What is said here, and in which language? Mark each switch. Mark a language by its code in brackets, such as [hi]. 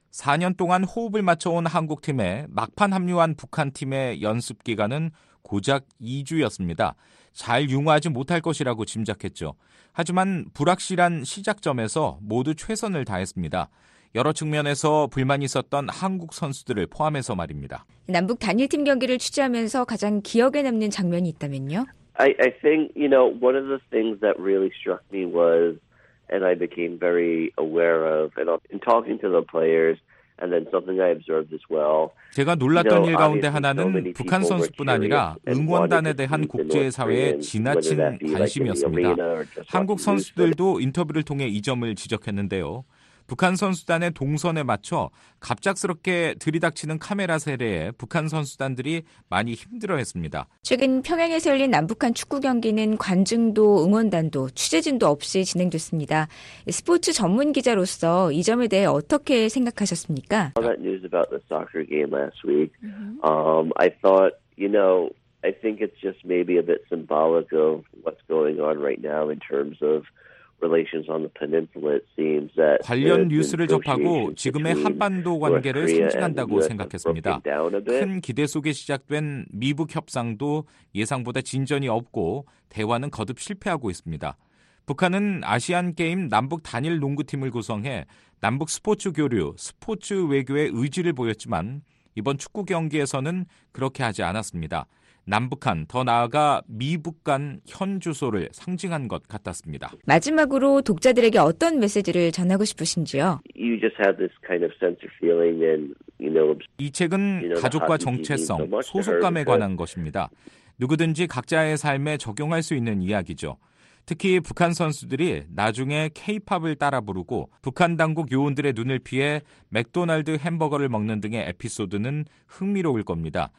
[ko] 4년 동안 호흡을 맞춰온 한국팀에 막판 합류한 북한팀의 연습 기간은 고작 2주였습니다. 잘 융화하지 못할 것이라고 짐작했죠. 하지만 불확실한 시작점에서 모두 최선을 다했습니다. 여러 측면에서 불만이 있었던 한국 선수들을 포함해서 말입니다. 남북 단일팀 경기를 취재하면서 가장 기억에 남는 장면이 있다면요? [en] I think, you know, one of the things that really struck me was, and I became very aware of, and in talking to the players, and then something I observed as well. [ko] 제가 놀랐던 일 가운데 하나는 북한 선수뿐 아니라 응원단에 대한 국제사회의 지나친 관심이었습니다. 한국 선수들도 인터뷰를 통해 이 점을 지적했는데요. 북한 선수단의 동선에 맞춰 갑작스럽게 들이닥치는 카메라 세례에 북한 선수단들이 많이 힘들어했습니다. 최근 평양에서 열린 남북한 축구 경기는 관중도 응원단도 취재진도 없이 진행됐습니다. 스포츠 전문 기자로서 이 점에 대해 어떻게 생각하셨습니까? [en] All that news about the soccer game last week. I thought, you know, I think it's just maybe a bit symbolic of what's going on right now in terms of [ko] 관련 뉴스를 접하고 지금의 한반도 관계를 상징한다고 생각했습니다. 큰 기대 속에 시작된 미북 협상도 예상보다 진전이 없고 대화는 거듭 실패하고 있습니다. 북한은 아시안게임 남북 단일 농구팀을 구성해 남북 스포츠 교류, 스포츠 외교에 의지를 보였지만 이번 축구 경기에서는 그렇게 하지 않았습니다. 남북한, 더 나아가 미북 간 현 주소를 상징한 것 같았습니다. 마지막으로 독자들에게 어떤 메시지를 전하고 싶으신지요? [en] You just have this kind of sense of feeling and, you know, [ko] 이 책은 가족과 정체성, 소속감에 관한 것입니다. 누구든지 각자의 삶에 적용할 수 있는 이야기죠. 특히 북한 선수들이 나중에 K-POP을 따라 부르고 북한 당국 요원들의 눈을 피해 맥도날드 햄버거를 먹는 등의 에피소드는 흥미로울 겁니다.